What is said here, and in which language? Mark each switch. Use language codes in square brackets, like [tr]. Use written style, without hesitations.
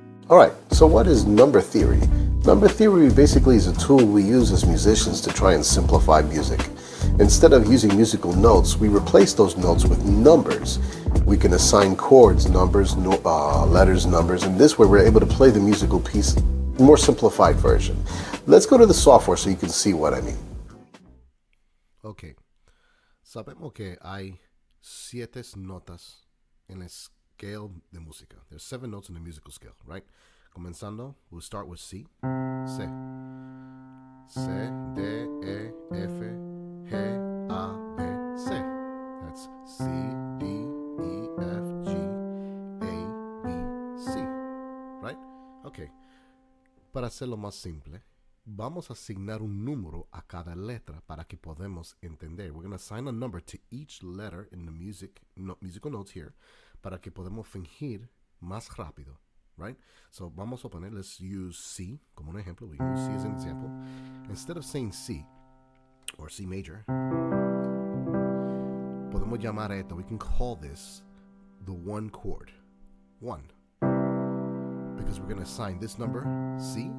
[en] All right, so what is number theory? Number theory basically is a tool we use as musicians to try and simplify music. Instead of using musical notes, we replace those notes with numbers. We can assign chords, numbers, letters, numbers, and this way we're able to play the musical piece more simplified version. Let's go to the software so you can see what I mean. Okay. [es] Sabemos que hay siete notas en la scale de música. [en] There's seven notes in the musical scale, right? [es] Comenzando, [en] we'll start with C. C. C, D, E, F, G, A, B, C. That's C, D, E, F, G, A, B, C. Right? Okay. [es] Para hacerlo más simple, vamos a asignar un número a cada letra para que podamos entender. [en] We're going to assign a number to each letter in the musical notes here [es] para que podamos fingir más rápido, [en] right? [es] So vamos a poner, [en] let's use C [es] como un ejemplo. [en] We use C as an example. Instead of saying C or C major, [es] podemos llamar a esto. [en] We can call this the one chord, one, because we're going to assign this number C.